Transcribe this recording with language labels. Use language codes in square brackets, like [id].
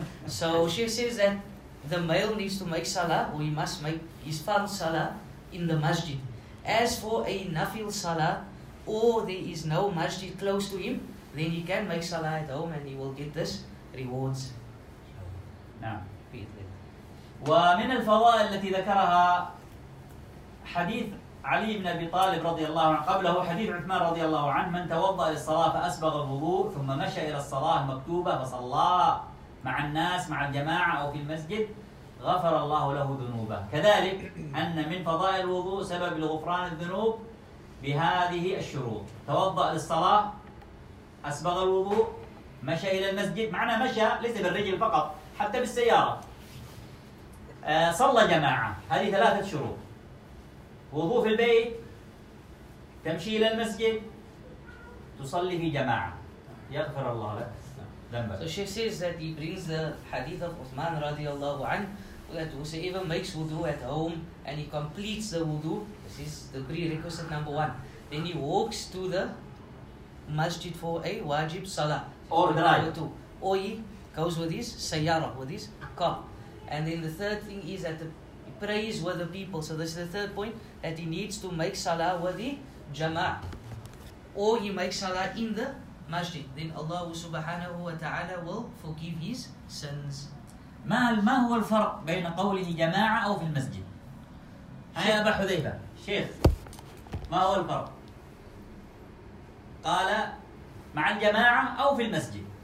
[en] So she says that the male needs to make salah or he must make his fard salah in the masjid. As for a nafil salah or there is no masjid close to him, then he can make salah at home and he will get this rewards. [ar] ومن الفضائل التي ذكرها حديث علي بن أبي طالب رضي الله عنه قبله حديث عثمان رضي الله عنه من توضأ للصلاة فأسبغ الوضوء ثم مشى إلى الصلاة المكتوبة فصلى مع الناس مع الجماعة أو في المسجد غفر الله له ذنوبه كذلك أن من فضائل الوضوء سبب لغفران الذنوب بهذه الشروط توضأ للصلاة أسبغ الوضوء مشى إلى المسجد معنى مشى ليس بالرجل فقط حتى بالسيارة صلى جماعة هذه ثلاثة شروط وضوء في البيت تمشي إلى المسجد تصلي في جماعة يغفر الله لك ذنبك [en] So she says that he brings the hadith of Uthman [ar] رضي الله عنه [en] that whoever makes wudu at home and he completes the wudu this is the prerequisite number one then he walks to the masjid for a wajib salah or drive or he goes with his sayara, with his car. And then the third thing is that he prays with the people. So this is the third point, that he needs to make salah with the jama'ah. Or he makes salah in the masjid. Then Allah subhanahu wa ta'ala will forgive his sins. [ar] ما هو الفرق بين قوله جماعه أو في المسجد؟ هيا أبا حذيفة. شيخ. ما هو الفرق؟ قال مع الجماعه أو في المسجد.